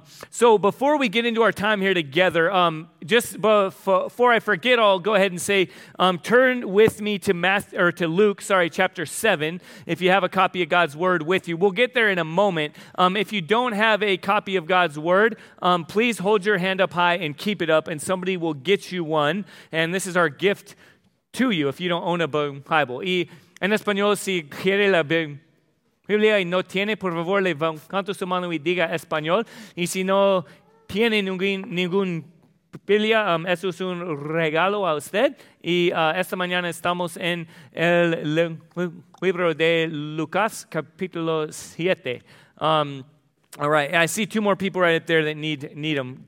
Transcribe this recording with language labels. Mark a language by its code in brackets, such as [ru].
[en] So before we get into our time here together, just before I forget, I'll go ahead and say, turn with me to chapter 7, if you have a copy of God's Word with you. We'll get there in a moment. If you don't have a copy of God's Word, please hold your hand up high and keep it up, and somebody will get you one. And this is our gift to you if you don't own a Bible. [es] Y en español, si quiere la Biblia, Biblia y no tiene, por favor, levanta su mano y diga español. Y si no tiene ningún Biblia, eso es un regalo a usted. Y esta mañana estamos en el libro de Lucas, capítulo 7. [en] All right, I see two more people right up there that need them.